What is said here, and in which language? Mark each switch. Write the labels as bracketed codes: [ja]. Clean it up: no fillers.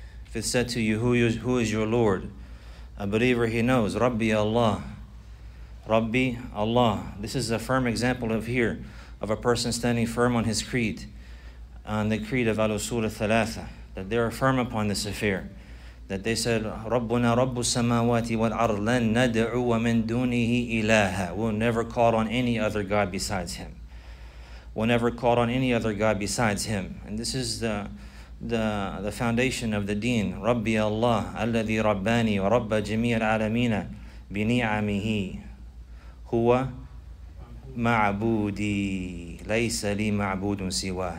[en] If it's said to you, who is your Lord? A believer, he knows. [ar] رَبِّي [en] Allah. [ar] رَبِّي [en] Allah. This is a firm example of here, of a person standing firm on his creed, on the creed of Al-Usul al-Thalatha, that they are firm upon this affair. That they said, [ar] رَبُّنَا رَبُّ السَّمَاوَاتِ وَالْأَرْضِ لَن نَدْعُوَ مِن دُونِهِ إِلَٰهًا. [en] We'll never call on any other God besides Him. We'll never call on any other God besides Him. And this is the foundation of the deen. [ar] رَبِّي اللَّهِ أَلَّذِي رَبَّانِي وَرَبَّ جَمِيعَ الْعَالَمِينَ بِنِعَمِهِ هُوَ مَعْبُودِي لَيْسَ لِي مَعْبُودٌ سِوَى.